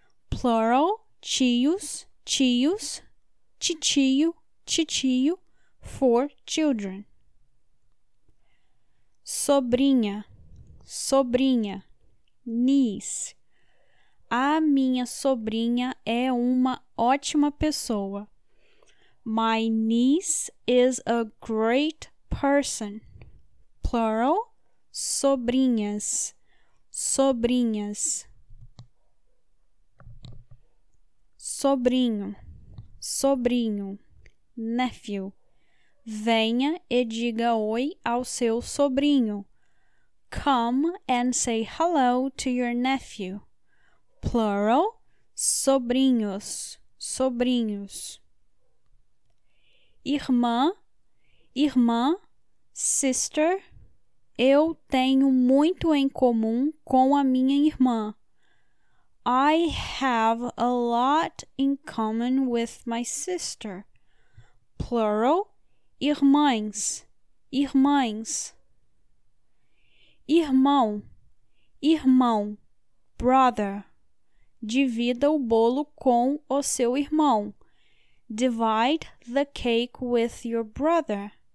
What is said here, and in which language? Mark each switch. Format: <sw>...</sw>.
<pt>Plural, tios, tios, titio, titio, for children. Sobrinha, sobrinha, niece. A minha sobrinha é uma ótima pessoa.</pt> <en>My niece is a great person.</en> <pt>Plural, sobrinhas, sobrinhas. Sobrinho, sobrinho, nephew. Venha e diga oi ao seu sobrinho.</pt> <en>Come and say hello to your nephew.</en> <pt>Plural, sobrinhos, sobrinhos. Irmã, irmã, sister. Eu tenho muito em comum com a minha irmã.</pt> <en>I have a lot in common with my sister.</en> <pt>Plural, irmãs, irmãs. Irmão, irmão, brother. Divida o bolo com o seu irmão.</pt> <en>Divide the cake with your brother.</en>